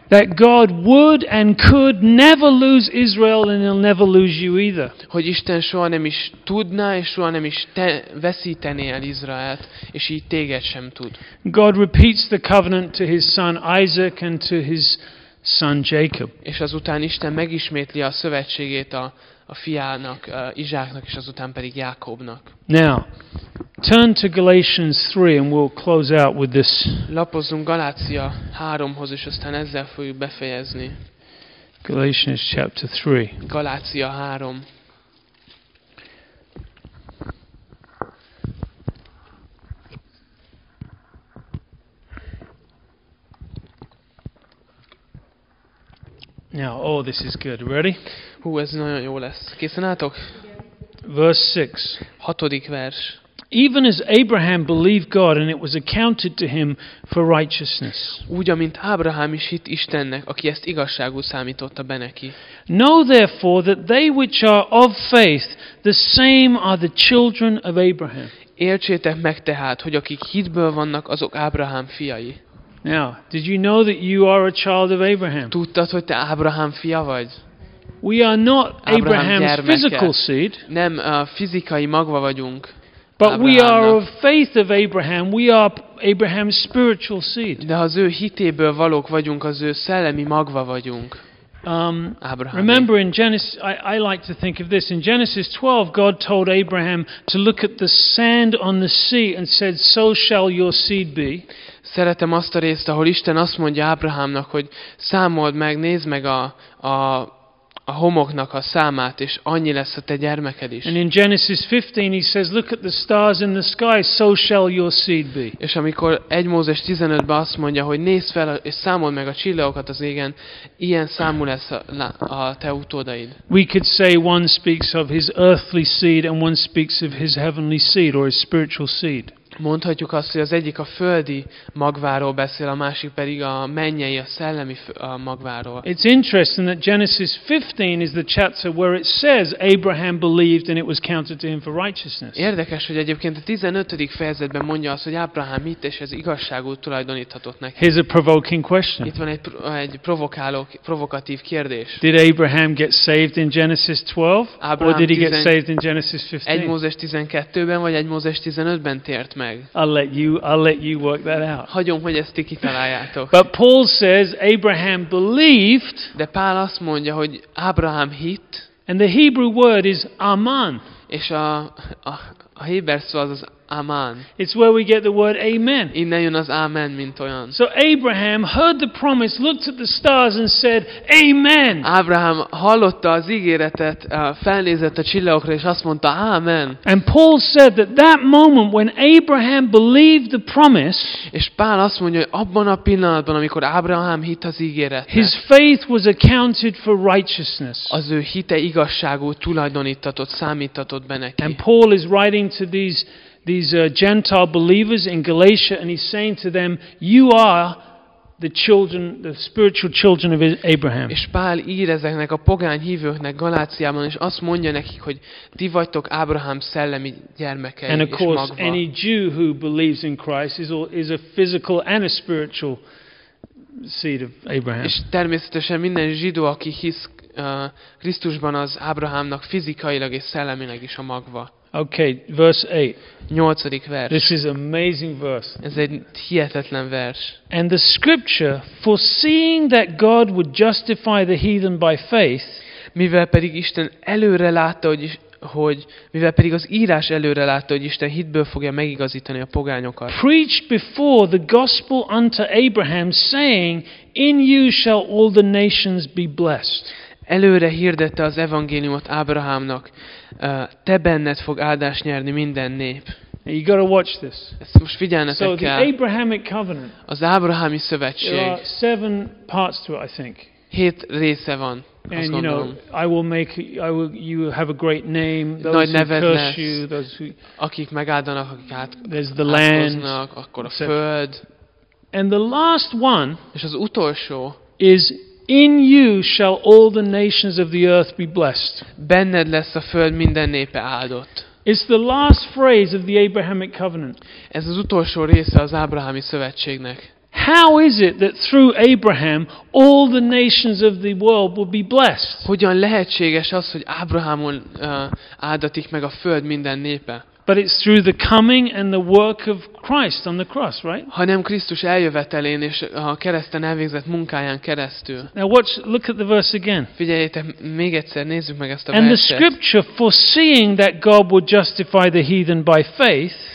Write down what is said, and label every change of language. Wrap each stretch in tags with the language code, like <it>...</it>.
<en>That God would and could never lose Israel, and he'll never lose you either.</en> <hu>Hogy Isten soha nem is tudná és soha nem is veszítené el Izraelt, és így téged sem tud.</hu> <en>God repeats the covenant to his son Isaac and to his son Jacob.</en> <hu>És azután Isten megismétli a szövetségét a fiának, Izsáknak, és azután pedig Jákobnak.</hu> <en>Now, turn to Galatians 3 and we'll close out with this.</en> <hu>Lapozzunk Galácia 3-hoz, és aztán ezzel fogjuk befejezni.</hu> <en>Galatians chapter 3.</en> <hu>Galácia 3.</hu> <en>Now, oh, this is good. Ready?</en> <hu>Hú, ez nagyon jó lesz. Készen álltok?</hu> <en>Verse 6.</en> <hu>Hatodik vers.</hu> <en>Even as Abraham believed God and it was accounted to him for righteousness.</en> <hu>Úgy, amint Ábrahám is hitt Istennek, aki ezt igazságul számította be neki.</hu> <en>Know therefore that they which are of faith, the same are the children of Abraham.</en> <hu>Értsétek meg tehát, hogy akik hitből vannak, azok Ábrahám fiai.</hu> <en>Now, did you know that you are a child of Abraham?</en> <hu>Tudtad, hogy te Ábrahám fia vagy?</hu> <en>We are not Abraham's physical seed.</en> <hu>Nem fizikai magva vagyunk.</hu> <en>But we are of faith of Abraham. We are Abraham's spiritual seed.</en> <hu>De az ő hitéből valók vagyunk, az ő szellemi magva vagyunk.</hu> <en>Abraham. Remember in Genesis, I like to think of this. In Genesis 12, God told Abraham to look at the sand on the sea and said, "So shall your seed be."</en> <hu>Szeretem azt a részt, ahol Isten azt mondja Ábrahámnak, hogy számold meg, nézd meg a homoknak a számát, és annyi lesz a te gyermeked is.</hu> <en>And in Genesis 15 he says, look at the stars in the sky, so shall your seed be.</en> <hu>És amikor 1 Mózes 15-ben azt mondja, hogy nézd fel és számold meg a csillagokat az égen, ilyen számú lesz a te utódaid.</hu> <en>We could say one speaks of his earthly seed and one speaks of his heavenly seed or his spiritual seed.</en> <hu>Mondhatjuk azt, hogy az egyik a földi magváról beszél, a másik pedig a mennyei, a szellemi magváról.</hu> <en>It's interesting that Genesis 15 is the chapter where it says Abraham believed and it was counted to him for righteousness.</en> <hu>Érdekes, hogy egyébként a 15. fejezetben mondja azt, hogy Ábrahám hitt, és ez igazságot tulajdoníthatott neki.</hu> <en>Here's a provoking question.</en> <hu>Itt van egy provokatív kérdés.</hu> <en>Did Abraham get saved in Genesis 12? Abraham or did he get saved in Genesis 15?</en> <hu>1 Mózes 12-ben vagy 1 Mózes 15-ben tért?</hu> <en>I'll let you work that out.</en> <hu>Hagyom, hogy ezt ti kitaláljátok.</hu> <en>But Paul says Abraham believed.</en> <hu>De Pál azt mondja, hogy Ábrahám hitt.</hu> <en>And the Hebrew word is aman.</en> <hu>És a héber szó az aman.</hu> <en>It's where we get the word amen.</en> <hu>Innen jön az amen, mint olyan.</hu> <en>So Abraham heard the promise, looked at the stars and said amen.</en> <hu>Ábrahám hallotta az ígéretet, felnézett a csillagokra és azt mondta amen.</hu> <en>And Paul said that moment when Abraham believed the promise,</en> <hu>és Pál azt mondja, hogy abban a pillanatban, amikor Ábrahám hitt az ígéretnek,</hu> <en>his faith was accounted for righteousness.</en> <hu>Az ő hite igazságú tulajdonítatott, számítatott be neki.</hu> <en>And Paul is writing to these Gentile believers in Galatia, and he's saying to them, "You are the children, the spiritual children of Abraham."</en> <hu>És Pál ír ezeknek a pogány hívőknek Galáciában, és azt mondja nekik, hogy ti vagytok Ábrahám szellemi gyermekei.</hu> <en>And of course, any Jew who believes in Christ is a physical and a spiritual seed of Abraham.</en> <hu>És természetesen minden zsidó, aki hisz Krisztusban, az Ábrahámnak fizikailag és szellemileg is a magva.</hu> <en>Okay, verse 8.</en> <hu>8. vers.</hu> <en>This is amazing verse.</en> <hu>Ez egy hihetetlen vers.</hu> <en>And the scripture, foreseeing that God would justify the heathen by faith,</en> <hu>mivel pedig Isten előre látta, hogy Isten hitből fogja megigazítani a pogányokat.</hu> <en>Preached before the gospel unto Abraham, saying, "In you shall all the nations be blessed."</en> <hu>Előre hirdette az evangéliumot Ábrahámnak, te benned fog áldást nyerni minden nép.</hu> <en>You gotta watch this.</en> <hu>Ezt most figyelnetek</hu> <en>so</en> <hu>kell.</hu> <en>The Abrahamic covenant.</en> <hu>Az ábrahámi szövetség.</hu> <en>There are 7 parts to it, I think.</en> <hu>7 része van.</hu> <en>And you know, you have a great name. Those</en> <hu>nagy neved</hu> <en>who curse</en> <hu>lesz,</hu> <en>you, those who,</en> <hu>akik megáldanak, akik</hu> <en>there's the land,</en> <hu>áldoznak, akkor a föld.</hu> <en>And the last one.</en> <hu>És az utolsó.</hu> <en>Is in you shall all the nations of the earth be blessed.</en> <hu>Benned lesz a föld minden népe áldott.</hu> <en>It's the last phrase of the Abrahamic covenant.</en> <hu>Ez az utolsó része az ábrahámi szövetségnek.</hu> <en>How is it that through Abraham all the nations of the world will be blessed?</en> <hu>Hogyan lehetséges az, hogy Ábrahámon áldatik meg a föld minden népe?</hu> <en>But it's through the coming and the work of Christ on the cross, right?</en> <hu>Hanem Krisztus eljövetelén és a kereszten elvégzett munkáján keresztül.</hu> <en>Now watch, look at the verse again.</en> <hu>Figyeljétek még egyszer, nézzük meg ezt a verset.</hu> <en>And the scripture, foreseeing that God would justify the heathen by faith,</en>